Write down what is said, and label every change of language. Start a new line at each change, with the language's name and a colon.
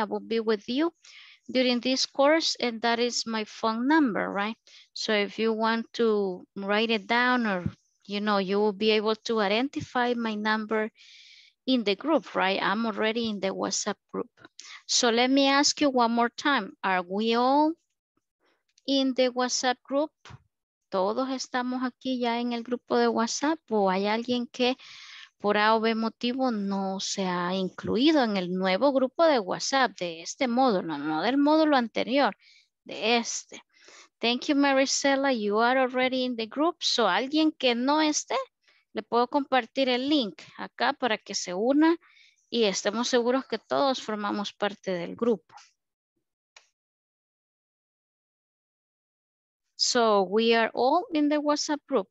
English: I will be with you during this course, and that is my phone number, right? So if you want to write it down or you know, you will be able to identify my number in the group, right? I'm already in the WhatsApp group. So let me ask you one more time. Are we all in the WhatsApp group?
Spanish: ¿Todos estamos aquí ya en el grupo de WhatsApp? ¿O hay alguien que por A o B motivo no se ha incluido en el nuevo grupo de WhatsApp de este módulo? No del módulo anterior, de este.
English: Thank you,
Spanish: Maricela.
English: You are already in the group.
Spanish: So, alguien que no esté, le puedo compartir el link acá para que se una y estemos seguros que todos formamos parte del grupo.
English: So, we are all in the WhatsApp group.